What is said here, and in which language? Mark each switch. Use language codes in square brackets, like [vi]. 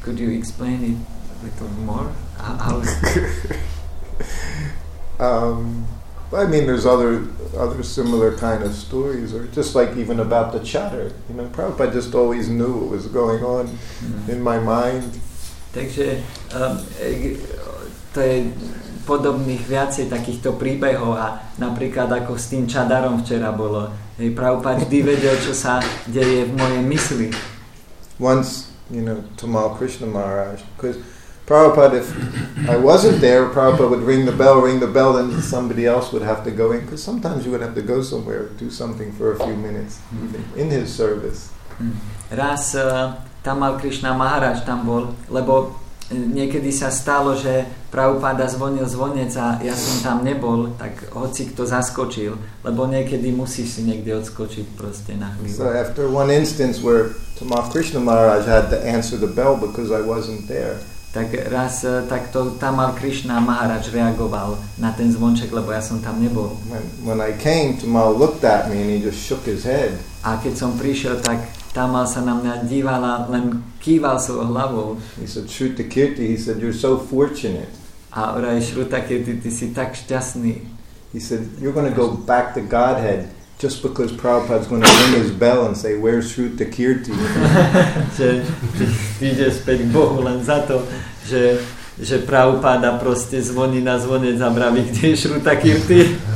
[en] Could you explain it a little more? I mean, there's other similar kind of stories, or just like even about the chatter. You know, Prabhupada just always knew what was going on in my mind. [sk] Takže to je podobných viacej takýchto príbehov a napríklad ako s tým čadarom včera bolo. Hej, Prabhupada vždy vedel, čo sa deje v mojej mysli. [en] Once, you know, Tamal Krishna Maharaj, because Prabhupada, if I wasn't there, Prabhupada would ring the bell, and somebody else would have to go in, because sometimes you would have to go somewhere, do something for a few minutes in his service. [sk] Raz Tamal Krishna Maharaj tam bol, lebo niekedy sa stalo, že Prabhupada zvonil zvonec a ja som tam nebol, tak hoci kto zaskočil, lebo niekedy musíš si niekde odskočiť proste na chvíľu. [en] So after one instance where Tamal Krishna Maharaj had to answer the bell because I wasn't there. [sk] Tak raz takto Tamal Krishna Maharaj reagoval na ten zvonček, lebo ja som tam nebol. [en] When I came, Tamal looked at me and he just shook his head. [sk] A keď som prišiel, tak Tamal sa na mňa dívala, len kýval svojou hlavou. [en] He said, Shruta Kirti, he said, you're so fortunate. [sk] A vraj, Shruta Kirti, ty si tak šťastný. [en] He said, you're going to go back to Godhead just because Prabhupada's going to ring his bell and say, where's Shruta Kirti? [sk] Že ty ideš späť k Bohu len za to, že Prabhupada proste zvoní na zvonec a braví, kde je Shruta Kirti.